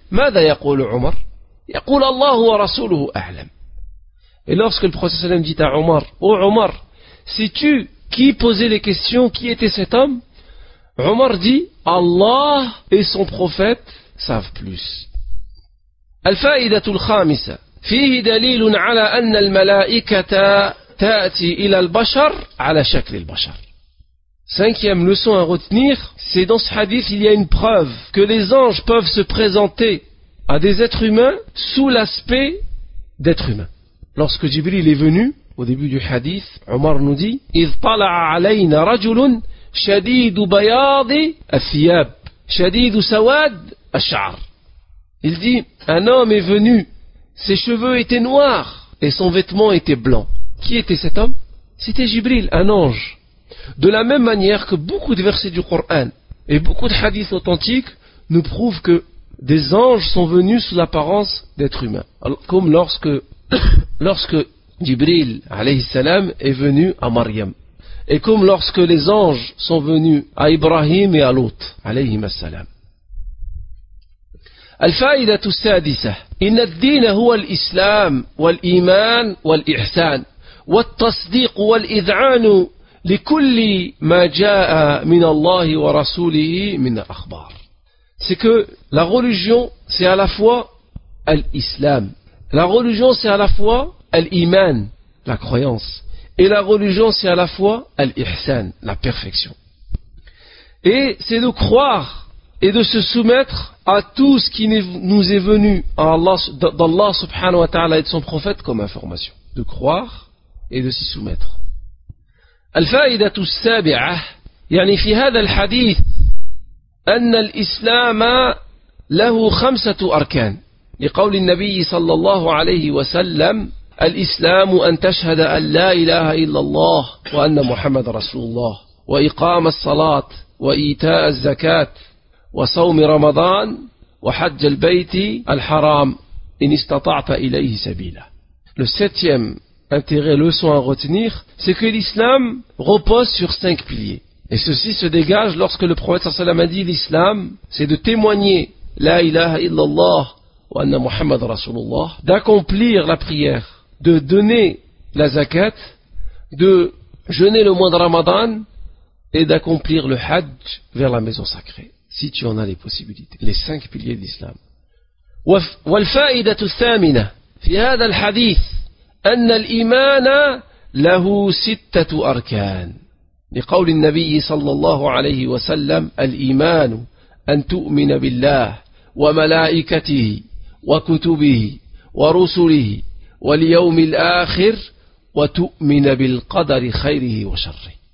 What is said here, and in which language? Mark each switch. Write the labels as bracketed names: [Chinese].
[Arabic] Mada yaqulu Omar? Yaqulu Allah wa rasuluhu a'lam. [French] Et lorsque le prophète sallallahu alayhi wa sallam dit à Omar, oh Omar, sais-tu qui posait les questions, qui était cet homme? Omar dit, Allah et son prophète savent plus. [Arabic] الفائدة الخامسة فيه دليل على أن الملائكة تأتي إلى البشر على شكل البشر. [French] Cinquième leçon à retenir, c'est dans ce hadith il y a une preuve que les anges peuvent se présenter à des êtres humains sous l'aspect d'êtres humains. Lorsque Jibril est venu, au début du hadith, Omar nous dit [Arabic] إذ طلع علينا رجل شديد بياض الثياب شديد سواد الشعر. [French] Il dit, un homme est venu, ses cheveux étaient noirs et son vêtement était blanc. Qui était cet homme? C'était Jibril, un ange. De la même manière que beaucoup de versets du Coran et beaucoup de hadiths authentiques nous prouvent que des anges sont venus sous l'apparence d'êtres humains. Comme lorsque Jibril, alayhi salam, est venu à Maryam. Et comme lorsque les anges sont venus à Ibrahim et à Lot, alayhi salam. [Arabic] الفائدة السادسة إن الدين هو الإسلام والإيمان والإحسان والتصديق والإذعان لكل ما جاء من الله ورسوله من الأخبار. [French] C'est que la religion c'est à la fois l'islam. La religion c'est à la fois l'iman, la croyance. Et la religion c'est à la fois l'ihsan, la perfection. Et c'est de croire et de se soumettre à tout ce qui nous est venu d'Allah subhanahu wa ta'ala et de son prophète comme information. De croire et de s'y soumettre. [Arabic] الفائدة السابعة يعني في هذا الحديث أن الإسلام له خمسة أركان لقول النبي صلى الله عليه وسلم الإسلام أن تشهد أن لا إله إلا الله وأن محمد رسول الله وإقام الصلاة وإيتاء الزكاة وصوم رمضان وحج البيت الحرام إن استطعت إليه سبيلا. [French] Le septième intérêt, leçon à retenir, c'est que l'islam repose sur cinq piliers. Et ceci se dégage lorsque le prophète صلى الله عليه وسلم a dit l'islam, c'est de témoigner [Arabic] لا إله إلا الله وأن محمد رسول الله, [French] d'accomplir la prière, de donner la zakat, de jeûner le mois de Ramadan et d'accomplir le hajj vers la maison sacrée. Si tu en as les possibilités, les cinq piliers de l'islam. [Arabic] والفائدة الثامنة في هذا الحديث أن الإيمان له ستة أركان لقول النبي صلى الله عليه وسلم الإيمان أن تؤمن بالله وملائكته وكتبه ورسله واليوم الآخر وتؤمن بالقدر خيره وشره.